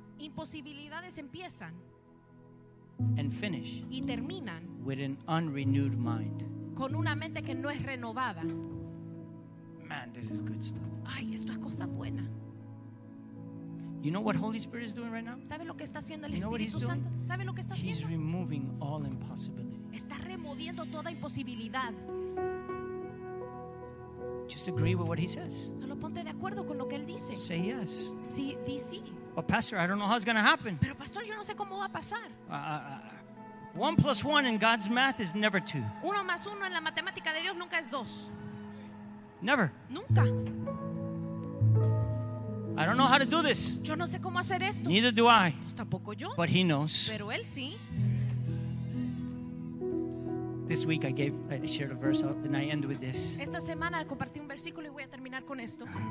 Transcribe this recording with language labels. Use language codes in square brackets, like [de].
[es] Imposibilidades empiezan. [en] and finish [es] y terminan [en] with an unrenewed mind. [es] Con una mente que no es renovada. [en] Man, this is good stuff. [es] Ay, esto es cosa buena. [en] You know what Holy Spirit is doing right now? [es] ¿Sabe lo que está haciendo el Espíritu Santo? ¿Sabe lo que está haciendo? [en] He's removing all impossibility. [es] Está removiendo toda imposibilidad. [en] Just agree with what he says. [es] Solo ponte de acuerdo con lo que él dice. [en] Say yes. [es] Sí, di sí. [en] But pastor, I don't know how it's going to happen. [es] Pero pastor, yo no sé cómo va a pasar. [en] One plus one in God's math is never two. [es] Uno más uno en la matemática de Dios nunca es dos. [en] Never. [es] Nunca. [en] I don't know how to do this. [es] Yo no sé cómo hacer esto. [en] Neither do I. [es] Pues tampoco yo. [en] But he knows. [es] Pero él sí. [en] This week I shared a verse out and I end with this. [es] Esta semana compartí un versículo y voy a terminar con esto.